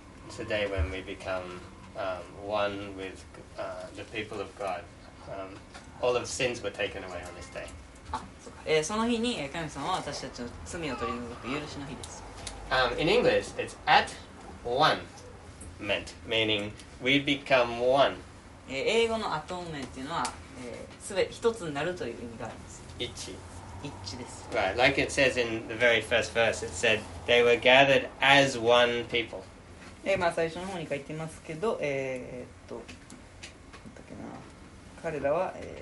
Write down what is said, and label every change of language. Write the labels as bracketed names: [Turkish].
[English] It's the day when we become one with the people of God. All of sins were taken away on this day. [Japanese] その日に、神様は私たちの罪を取り除く許しの日です。 [English] In English, it's at one meant, meaning we become one. [Japanese] 英語のアトーメントというのは、すべ一つになるという意味があります。一致です。 [English] Right, like it says in the very first verse, it said they were gathered as one people. [Japanese] まあ最初の方に書いてますけど、彼らは、